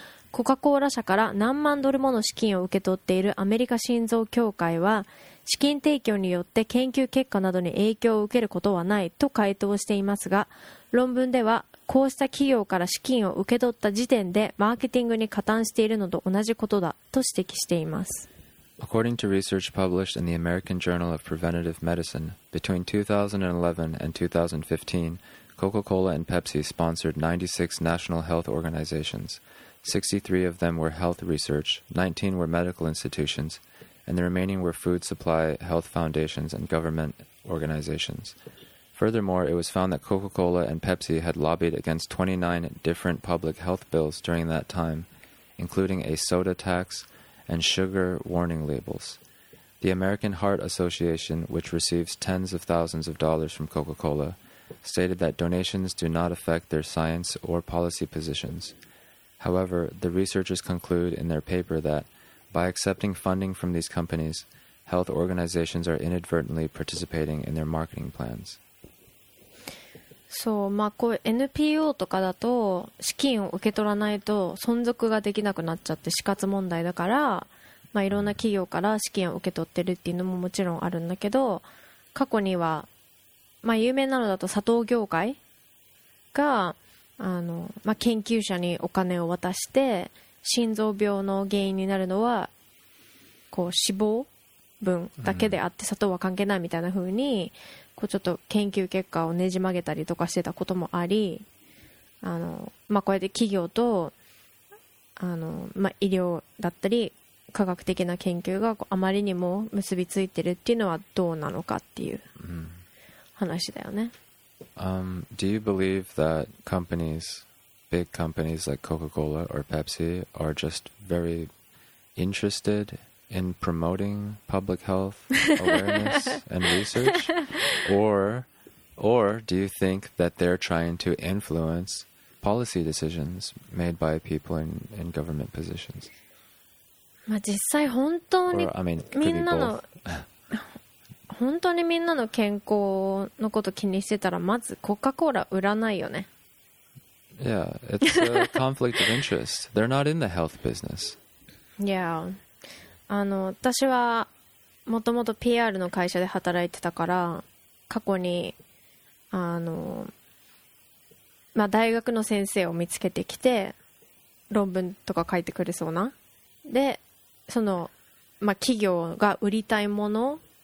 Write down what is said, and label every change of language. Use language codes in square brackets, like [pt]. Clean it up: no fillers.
[ja] コカ・コーラ社から何万ドルもの資金を受け取っているアメリカ心臓協会は、資金提供によって研究結果などに影響を受けることはないと回答していますが、論文ではこうした企業から資金を受け取った時点でマーケティングに加担しているのと同じことだと指摘しています。 [en] According to research published in the American Journal of Preventative Medicine, between 2011 and 2015, Coca-Cola and Pepsi sponsored 96 national health organizations. 63 of them were health research, 19 were medical institutions, and the remaining were food supply, health foundations, and government organizations. Furthermore, it was found that Coca-Cola and Pepsi had lobbied against 29 different public health bills during that time, including a soda tax and sugar warning labels. The American Heart Association, which receives tens of thousands of dollars from Coca-Cola, stated that donations do not affect their science or policy positions. However, the researchers conclude in their paper that, by accepting funding from these companies, health organizations are inadvertently participating in their marketing plans. [ja] そう、まあこう NPO とかだと資金を受け取らないと存続ができなくなっちゃって死活問題だから、まあいろんな企業から資金を受け取ってるっていうのももちろんあるんだけど、過去にはまあ有名なのだと砂糖業界が、あの、まあ研究者にお金を渡して心臓病の原因になるのはこう脂肪分だけであって砂糖は関係ないみたいな風にこうちょっと研究結果をねじ曲げたりとかしてたこともあり、あの、まあ、こうやって企業と、あの、まあ、医療だったり科学的な研究がこうあまりにも結びついてるっていうのはどうなのかっていう話だよね。 [en] Do you believe that companies, big companies like Coca-Cola or Pepsi, are just very interested in promoting public health awareness and research? Or do you think that they're trying to influence policy decisions made by people in government positions? [ja] まあ実際本当に [en] or, I mean, [ja] みんなの本当にみんなの健康のこと気にしてたらまずコカ・コーラ売らないよね。 [en] Yeah, it's a conflict of interest. They're not in the health business. Yeah. [ja] あの私はもともと PR の会社で働いてたから過去にあの、まあ、大学の先生を見つけてきて論文とか書いてくれそうなでその、まあ、企業が売りたいもの